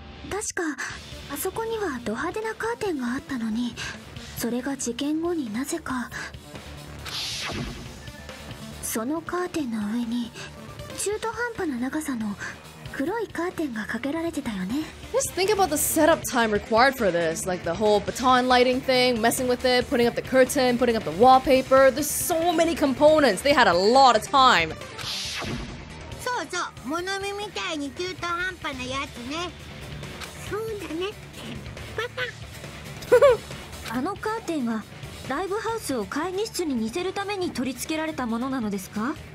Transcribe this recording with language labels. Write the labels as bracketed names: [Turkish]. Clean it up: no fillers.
[Japanese] 確かあそこにはド派手なカーテンがあったのに、それが事件後になぜかそのカーテンの上に中途半端な長さの黒いカーテンがかけられてたよね。 [English] Just think about the setup time required for this. Like the whole baton lighting thing, messing with it, putting up the curtain, putting up the wallpaper. There's so many components. They had a lot of time. [Japanese] そうそう、モノミみたいに中途半端なやつね。そうだね、パパ。あのカーテンはライブハウスを会議室に似せるために取り付けられたものなのですか？